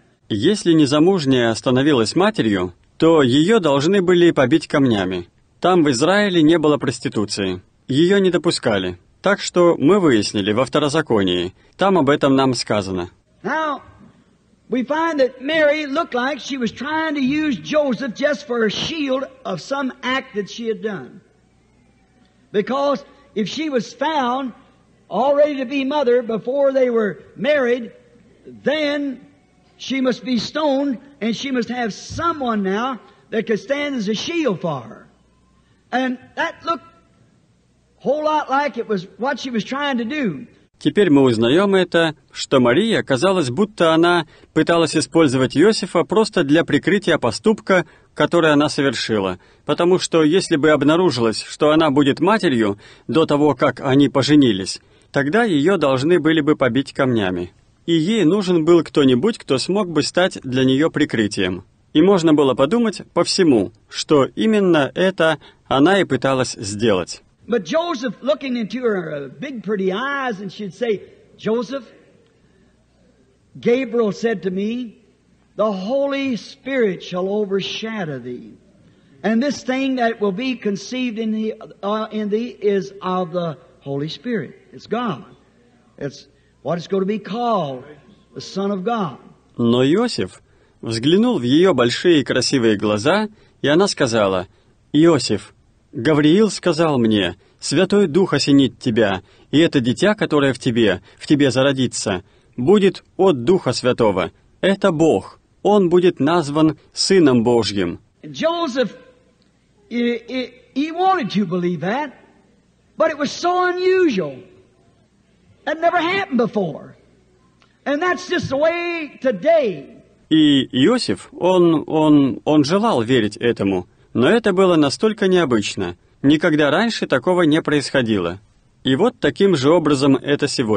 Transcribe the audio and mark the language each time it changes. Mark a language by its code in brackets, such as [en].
[ru] Если незамужняя становилась матерью, то ее должны были побить камнями. Там в Израиле не было проституции. Ее не допускали. Так что мы выяснили во Второзаконии. Там об этом нам сказано. [en] Now, we find that Mary looked like she was trying to use Joseph just for a shield of some act that she had done. Because if she was found already to be mother before they were married, then she must be stoned, and she must have someone now that could stand as a shield for her. And that looked a whole lot like it was what she was trying to do. [ru] Теперь мы узнаем это, что Мария, казалось, будто она пыталась использовать Иосифа просто для прикрытия поступка, который она совершила. Потому что если бы обнаружилось, что она будет матерью до того, как они поженились, тогда ее должны были бы побить камнями. И ей нужен был кто-нибудь, кто смог бы стать для нее прикрытием. И можно было подумать по всему, что именно это она и пыталась сделать. [en] But Joseph, looking into her big pretty eyes, and she'd say, Joseph, Gabriel said to me, the Holy Spirit shall overshadow thee, and this thing that will be conceived in thee is of the Holy Spirit. It's God. It's what it's going to be called, the Son of God. [ru] Но Иосиф взглянул в ее большие красивые глаза, и она сказала, Иосиф, Гавриил сказал мне, «Святой Дух осенит тебя, и это дитя, которое в тебе зародится, будет от Духа Святого. Это Бог. Он будет назван Сыном Божьим». [en] Joseph, he wanted to believe that, but it was so unusual. It never happened before. And that's just the way today. [ru] И Иосиф, он желал верить этому, но это было настолько необычно. Никогда раньше такого не происходило. И вот таким же образом это